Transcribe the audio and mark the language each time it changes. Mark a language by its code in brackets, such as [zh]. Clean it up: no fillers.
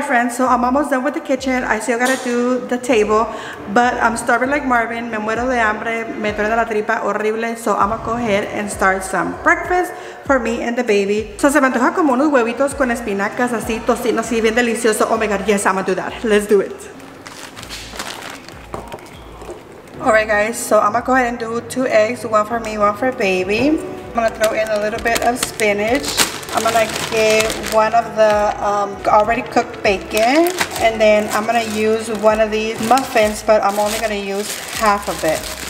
[en] so I'm almost done with the kitchen. I still gotta do the table, but I'm starving like Marvin. [es] Me muero de hambre, me duele la tripa horrible. [en] So I'm gonna go ahead and start some breakfast for me and the baby. [es] So se me antoja como unos huevitos con espinacas, así tocino, así bien delicioso. [en] Oh my God, yes, I'm gonna do that. Let's do it. All right, guys, so I'm gonna go ahead and do two eggs, one for me, one for baby. I'm gonna throw in a little bit of spinach. I'm gonna get one of the already cooked bacon, and then I'm gonna use one of these muffins, but I'm only gonna use half of it.